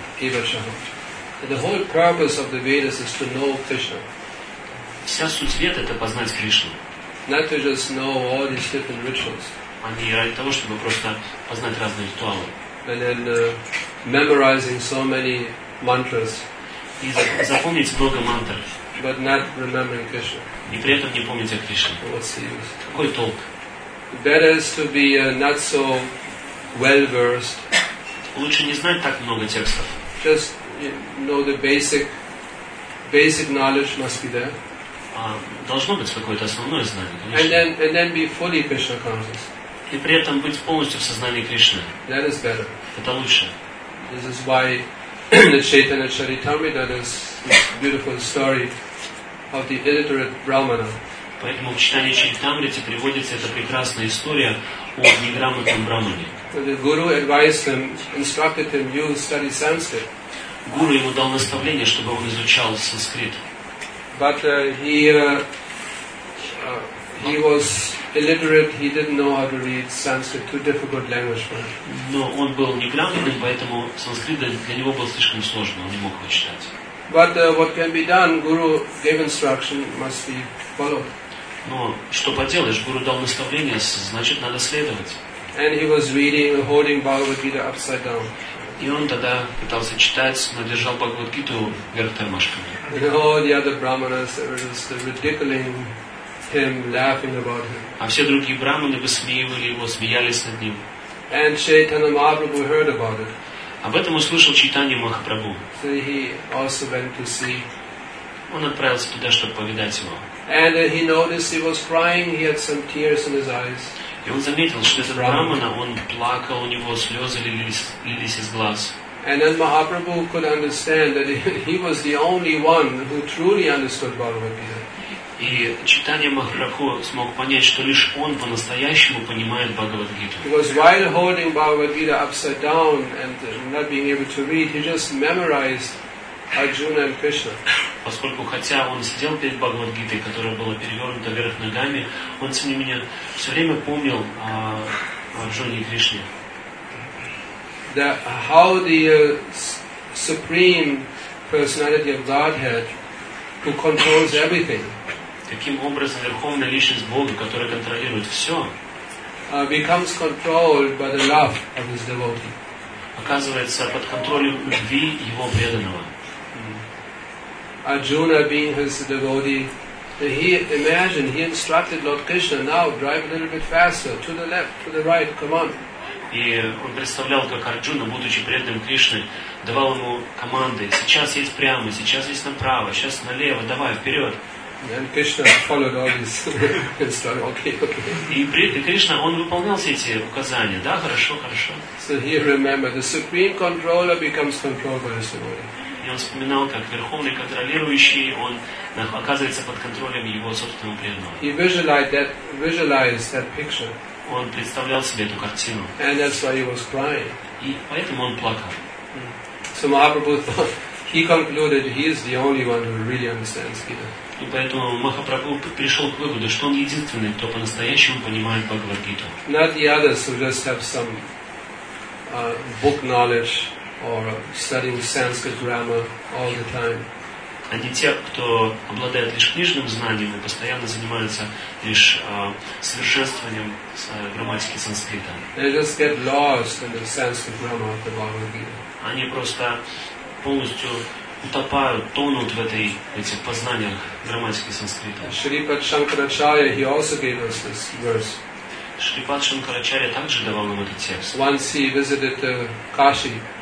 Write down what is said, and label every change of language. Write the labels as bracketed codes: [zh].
[en] The whole purpose of the Vedas is to know Krishna. [ru] Вся суть Вед — это познать Кришну. [en] Not to just know all these different rituals. [ru] А не ради того, чтобы просто познать разные ритуалы. [en] And then memorizing so many mantras. [ru] И запомнить много мантр. [en] But not remembering Krishna. [ru] И при этом не помнить о Кришне. [en] What's the use? [ru] Какой толк? [en] Better is to be not so well versed. [ru] Лучше не знать так много текстов. [en] Just know the basic knowledge must be there. [ru] Должно быть какое-то основное знание. Конечно. [en] And then be fully Krishna conscious. [ru] И при этом быть полностью в сознании Кришны. [en] That is better. [ru] Это лучше. [en] This is why the Chaitanya Charitamrita, this beautiful story of the illiterate Brahmana. [ru] Поэтому в Читании Чаритамриты приводится эта прекрасная история о неграмотном брамане. [en] The guru advised him, instructed him, you study Sanskrit. [ru] Гуру ему дал наставление, чтобы он изучал санскрит. [en] But he was illiterate. He didn't know how to read Sanskrit. Too difficult language for him. [ru] Но он был неграмотным, поэтому санскрит для него был слишком сложным. Он не мог его читать. [en] But what can be done? Guru gave instruction. Must be followed. [ru] Но что поделаешь? Гуру дал наставление, значит, надо следовать. [en] And he was reading, holding Bhagavad Gita upside down. [ru] И он тогда пытался читать, но держал Бхагавад Гиту вверх тормашками. [en] And all the other brahmanas were just ridiculing him, laughing about him. [ru] А все другие брахманы высмеивали его, смеялись над ним. [en] And Chaitanya Mahaprabhu heard about it. [ru] Об этом услышал Чайтанья Махапрабху. [en] So he also went to see [ru] Он отправился туда, чтобы повидать его. [en] And he noticed he was crying. He had some tears in his eyes. [ru] И он заметил, что этот брахмана, он плакал, у него слезы лились из глаз. [en] And then Mahaprabhu could understand that he was the only one who truly understood Bhagavad Gita. [ru] И читание Махараху смог понять, что лишь он по-настоящему понимает Бхагавад Гиту. [en] Because while holding Bhagavad Gita upside down and not being able to read, he just memorized Arjuna and Krishna. [ru] Поскольку хотя он сидел перед Бхагавад Гитой, которая была перевернута вверх ногами, он тем не менее все время помнил о Арджуне и Кришне. [en] That how the supreme personality of Godhead, who controls everything, [ru] каким образом верховная личность Бога, которая контролирует все, [en] becomes controlled by the love of his devotee, [ru] оказывается под контролем любви его преданного. [en] Arjuna, being his devotee, he imagined, he instructed Lord Krishna, now drive a little bit faster, to the left, to the right, come on. [ru] И он представлял, как Арджуна, будучи преданным Кришне, давал ему команды: сейчас есть прямо, сейчас есть направо, сейчас налево, давай вперед. [en] And Krishna followed all his instructions. Okay. [ru] И Кришна, он выполнял все эти указания, да, хорошо, хорошо. [en] So he remembered, the supreme controller becomes controlled by his devotee. [ru] И он вспоминал, как верховный контролирующий, он оказывается под контролем его собственного преданного. [en] He visualized that picture. [ru] Он представлял себе эту картину. [en] And that's why he was crying. [ru] И поэтому он плакал. [en] So Mahaprabhu thought, he concluded he is the only one who really understands Gita. [ru] И поэтому Махапрабху пришел к выводу, что он единственный, кто по-настоящему понимает Бхагавад Гиту. [en] Not the others who just have some book knowledge or studying Sanskrit grammar all the time. [ru] А не те, кто обладает лишь книжным знанием и постоянно занимается лишь совершенствованием грамматики санскрита. [en] They just get lost in the Sanskrit grammar of the Bhagavad Gita. [ru] Они просто полностью утопают, тонут в этих познаниях грамматики санскрита. [en] Шрипад Шанкарачарья, he also gave us this verse. [ru] Шрипад Шанкарачарья также давал нам этот текст. [en] Once he visited Kashi.